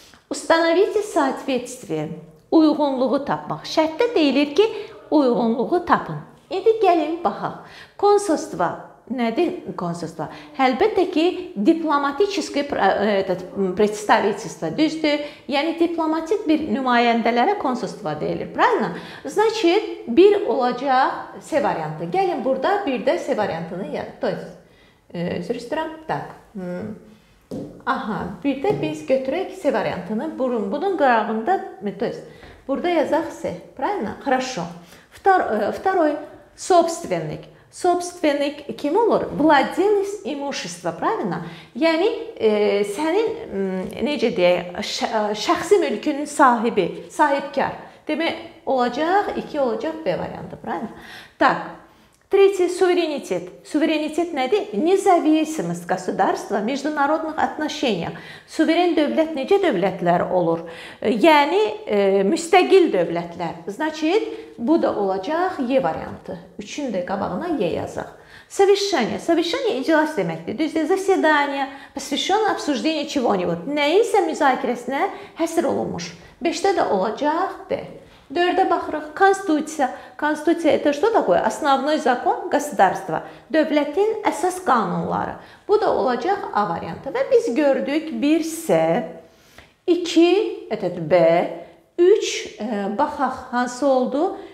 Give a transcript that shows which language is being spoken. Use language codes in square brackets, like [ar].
[ru] Установите соответствие. [az] Uyğunluğu tapmaq. Şərtdə deyilir ki, uyğunluğu tapın. İndi gəlin baxaq. Konsulstva. Nədir konsulstva? Əlbəttə ki, diplomatik представительство, düzdür. Yəni, diplomatik bir nümayəndələrə konsulstva deyilir. [ru] Правильно? Значит, [az] bir olacaq S variantı. Gəlin burada bir də S variantını yazıq. Özür istəyirəm. [ru] Так. [az] Aha, bir də biz götürək S variantını. Bunun qarağında, [ru] то есть, [az] burada yazaq S. [ru] Правильно? Хорошо. Второй, собственник. Собственник [az] kim olur? [ru] Владелец имущества, правильно? [az] Yəni, sənin, necə deyək, şəxsi mülkünün sahibi, sahibkar. Demək, olacaq, iki olacaq B variantı, [ru] правильно? Так, третий, [az] суверенитет. Суверенитет nədir? [ru] Независимость государства, международных отношения. [az] Суверен dövlət necə dövlətlər olur? Yəni, müstəqil dövlətlər. [ru] Значит, [az] bu da olacaq Y variantı. Üçün də qabağına Y yazıq. [ru] Совещание. [az] Совещание iclas deməkdir. Düzdür, [ru] заседание, посвящённое обсуждению чего-нибудь. [az] Нəyisə müzakirəsinə həsr olunmuş. Beşdə də olacaq D. Dördə baxırıq. Konstitusiya. [ru] Konstitusiya это что такое? Основной закон государства. [az] Dövlətin əsas qanunları. Bu da olacaq A variantı. Və biz gördük 1 S, 2 B, 3 baxaq hansı oldu?